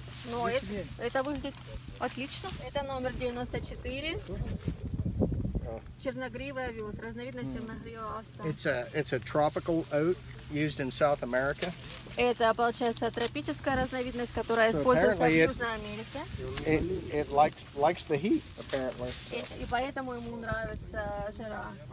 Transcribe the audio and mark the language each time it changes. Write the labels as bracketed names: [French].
[Russian] Но это выглядит отлично. Это номер 94. Черногривый овес, разновидность черногривого овса. [English] It's a tropical oat used in South America. [Russian] Это получается тропическая разновидность, которая используется в Южной Америке. [English] It likes the heat, apparently. [Russian] И поэтому ему нравится жара.